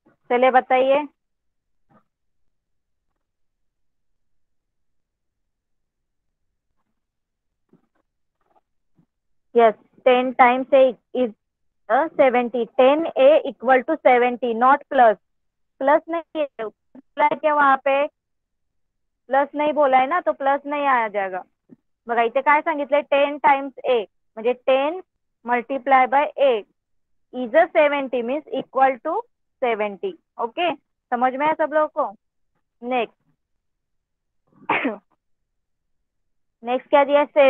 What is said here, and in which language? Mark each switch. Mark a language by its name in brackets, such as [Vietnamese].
[Hindi] चलिए बताइए, yes, 10 times A is 70, 10A equal to 70, not plus. Plus नहीं है, प्लस क्या वहां पे? प्लस नहीं बोला है ना, तो प्लस नहीं आ जाएगा। [Marathi] बघा इथे काय सांगितलंय? 10 टाइम्स A म्हणजे 10 multiply by A is a 70, means equal to 70, okay? [Hindi] समझ में आया सब लोगों को? नेक्स्ट नेक्स्ट क्या दिया?